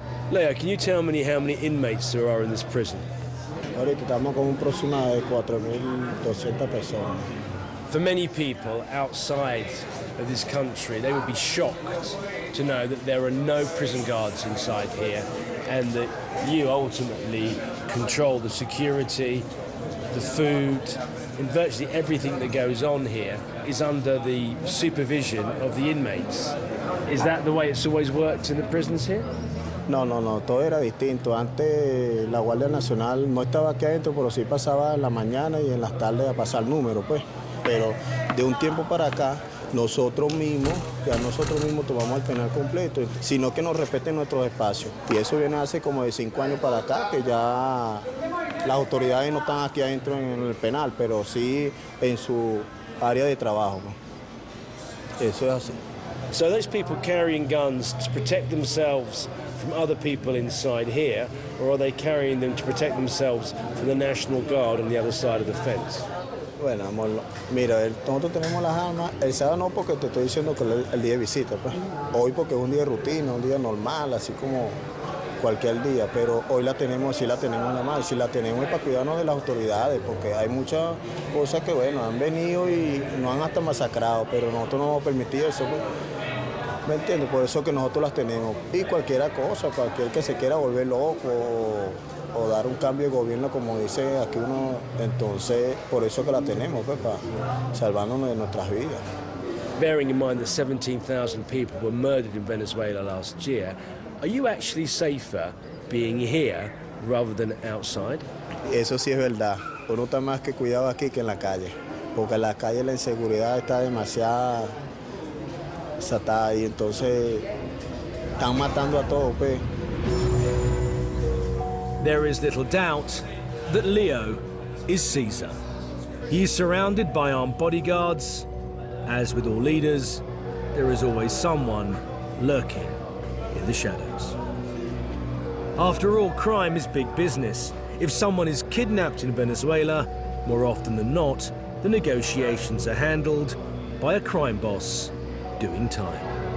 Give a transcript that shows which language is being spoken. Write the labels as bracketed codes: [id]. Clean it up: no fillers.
[en] Leo, can you tell me how many inmates there are in this prison? For many people outside of this country, they would be shocked to know that there are no prison guards inside here and that you ultimately control the security, the food, and virtually everything that goes on here is under the supervision of the inmates. Is that the way it's always worked in the prisons here? [es] No, todo era distinto. Antes la Guardia Nacional no estaba aquí adentro, pero sí pasaba en la mañana y en las tardes a pasar número, pues. Pero de un tiempo para acá, nosotros mismos tomamos el penal completo, sino que nos respeten nuestros espacios. Y eso viene hace como de 5 años para acá, que ya las autoridades no están aquí adentro en el penal, pero sí en su área de trabajo, ¿no? Eso es así. [en] So those people carrying guns to protect themselves from other people inside here, or are they carrying them to protect themselves from the National Guard on the other side of the fence? [es] Bueno, amor, mira, nosotros tenemos las armas. El sábado no, porque te estoy diciendo que es el día de visita, pues. Hoy porque es un día de rutina, un día normal, así como cualquier día. Pero hoy la tenemos, sí la tenemos nada más. Si la tenemos es para cuidarnos de las autoridades, porque hay muchas cosas que, bueno, han venido y nos han hasta masacrado, pero nosotros no hemos permitido eso, pues. ¿Me entiendes? Por eso que nosotros las tenemos. Y cualquier cosa, cualquier que se quiera volver loco o dar un cambio de gobierno, como dice aquí uno, entonces por eso que la tenemos, pues, para salvarnos de nuestras vidas. [en] Bearing in mind that 17,000 people were murdered in Venezuela last year, are you actually safer being here rather than outside? [es] Eso sí es verdad. Uno está más que cuidado aquí que en la calle, porque en la calle la inseguridad está demasiada satada y entonces están matando a todos, pues. [en] There is little doubt that Leo is Caesar. He is surrounded by armed bodyguards. As with all leaders, there is always someone lurking in the shadows. After all, crime is big business. If someone is kidnapped in Venezuela, more often than not, the negotiations are handled by a crime boss doing time.